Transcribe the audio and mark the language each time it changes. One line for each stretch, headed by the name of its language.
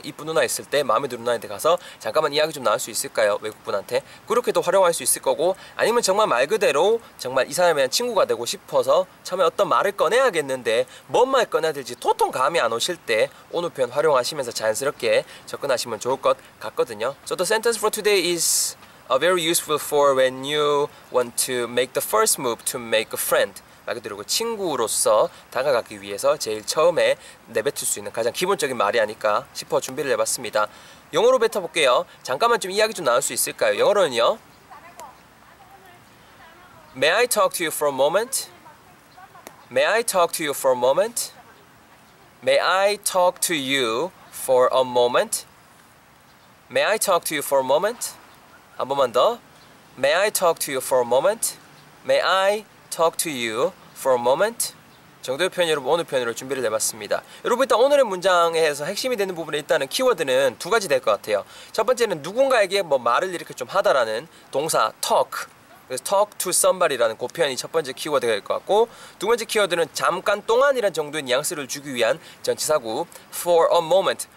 Korean: 이쁜 누나 있을 때 마음에 드는 누나한테 가서 잠깐만 이야기 좀 나눌 수 있을까요? 외국분한테. 그렇게도 활용할 수 있을 거고, 아니면 정말 말 그대로 정말 이 사람에 대한 친구가 되고 싶어서 처음에 어떤 말을 꺼내야겠는데 뭔 말 꺼내야 될지 도통 감이 안 오실 때 오늘 표현 활용하시면서 자연스럽게 접근하시면 좋을 것 같거든요.
English: So the sentence for today is very useful for when you want to make the first move to make a friend.
Korean: 말 그대로 친구로서 다가가기 위해서 제일 처음에 내뱉을 수 있는 가장 기본적인 말이 아닐까 싶어 준비를 해봤습니다. 영어로 뱉어볼게요. 잠깐만 좀 이야기 좀 나눌 수 있을까요? 영어로는요.
English: May I talk to you for a moment? May I talk to you for a moment? May I talk to you for a moment? May I talk to you for a moment?
Korean: 한 번만 더.
English: May I talk to you for a moment? May I talk to you for a moment.
Korean: 정도의 표현, 여러분 오늘 표현으로 준비를 해봤습니다. 여러분 일단 오늘의 문장에서 핵심이 되는 부분에 있다는 키워드는 두 가지 될 것 같아요. 첫 번째는 누군가에게 뭐 말을 이렇게 좀 하다라는 동사 talk. 그래서
English: talk to somebody
Korean: 라는 그 표현이 첫 번째 키워드가 될 것 같고, 두 번째 키워드는 잠깐 동안이라는 정도의 뉘앙스를 주기 위한 전치사구
English: for a moment.